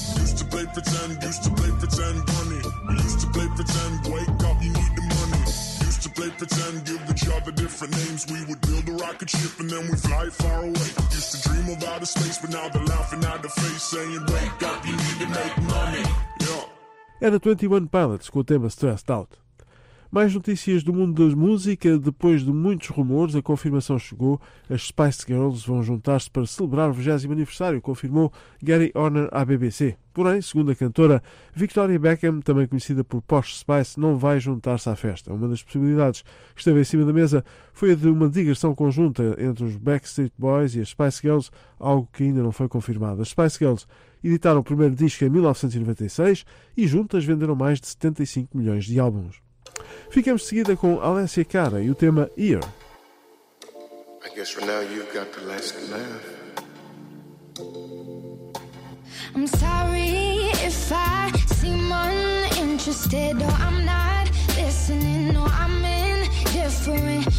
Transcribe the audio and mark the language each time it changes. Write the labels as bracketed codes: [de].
[en] Used to play pretend, used to play pretend, money. We used to play pretend, wake up, you need the money. To play pretend, give each other different names. We would build a rocket ship and then we fly far away. Used to dream of outer space, but now they're laughing at the face, saying, wake up, you need to make money. Yeah. [pt] Era 21 Pilots com o tema Stressed Out. Mais notícias do mundo da música. Depois de muitos rumores, a confirmação chegou. As Spice Girls vão juntar-se para celebrar o 20º aniversário, confirmou Gary Horner à BBC. Porém, segundo a cantora, Victoria Beckham, também conhecida por Posh Spice, não vai juntar-se à festa. Uma das possibilidades que esteve em cima da mesa foi a de uma digressão conjunta entre os Backstreet Boys e as Spice Girls, algo que ainda não foi confirmado. As Spice Girls editaram o primeiro disco em 1996 e juntas venderam mais de 75 milhões de álbuns. Ficamos de seguida com Alessia Cara e o tema Ear. [en] I guess for now you've got the last laugh. I'm sorry if I seem uninterested or I'm not listening or I'm indifferent.